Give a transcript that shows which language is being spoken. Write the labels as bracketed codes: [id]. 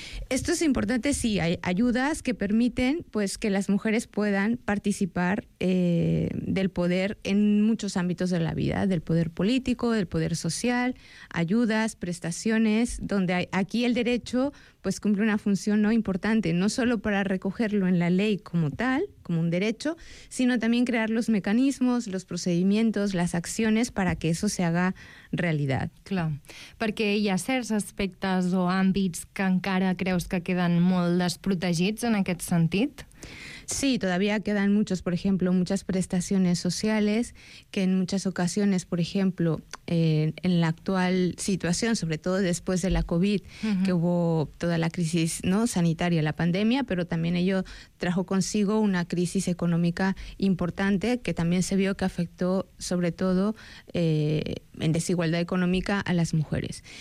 [es] Esto es importante, sí, hay ayudas que permiten pues que las mujeres puedan participar del poder en muchos ámbitos de la vida, del poder político, del poder social, ayudas, prestaciones, donde hay, aquí el derecho pues cumple una función importante, no solo para recogerlo en la ley como tal, como un derecho, sino también crear los mecanismos, los procedimientos, las acciones para que eso se haga realitat. [ca] Clar, perquè hi ha certs aspectes o àmbits que encara creus que queden molt desprotegits en aquest sentit? [es] Sí, todavía quedan muchos, por ejemplo, muchas prestaciones sociales que en muchas ocasiones, por ejemplo, en la actual situación, sobre todo después de la COVID, que hubo toda la crisis sanitaria, la pandemia, pero también ello trajo consigo una crisis económica importante que también se vio que afectó sobre todo en desigualdad económica a las mujeres.